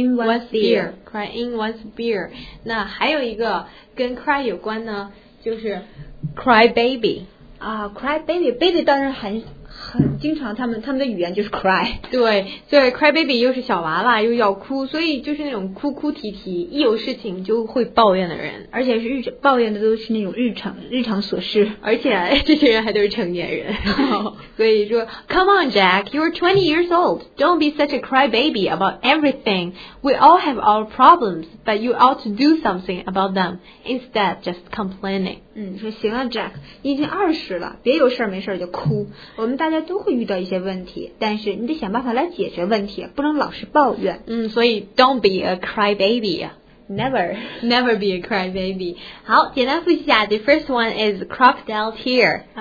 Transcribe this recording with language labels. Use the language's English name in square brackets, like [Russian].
[English] in one's beer [Chinese] 那还有一个跟 cry 有关呢就是 cry baby cry baby 当然很经常他们的语言就是 cry 对对 cry baby 又是小娃娃又要哭所以就是那种哭哭啼啼一有事情就会抱怨的人而且是抱怨的都是那种日常琐事而且这些人还都是成年人所以说 [English] come on Jack you're 20 years old don't be such a cry baby about everything we all have our problems but you ought to do something about them instead just complaining [Chinese] 说行啊 Jack 你已经20了别有事没事就哭大家都会遇到一些问题但是你得想办法来解决问题不能老是抱怨所以 [English] don't be a cry baby never be a cry baby [Chinese] 好简单复习一下 [English] the first one is crocodile tear